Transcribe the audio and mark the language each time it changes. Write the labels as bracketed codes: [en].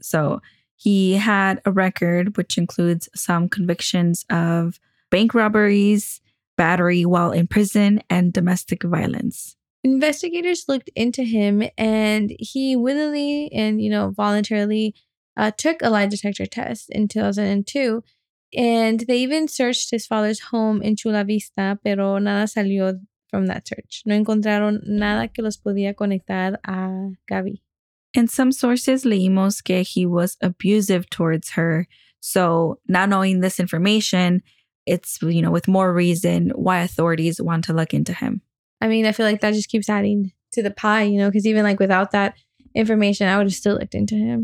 [en] So he had a record, which includes some convictions of bank robberies, battery while in prison, and domestic violence. Investigators looked into him and he willingly and, you know, voluntarily took a lie detector test in 2002. And they even searched his father's home in Chula Vista, [es] pero nada salió [en] from that search. [es] No encontraron nada que los podía conectar a Gabby. [en] In some sources, [es] leímos que [en] he was abusive towards her. So not knowing this information, it's, you know, with more reason why authorities want to look into him. I mean, I feel like that just keeps adding to the pie, you know, because even like without that information, I would have still looked into him.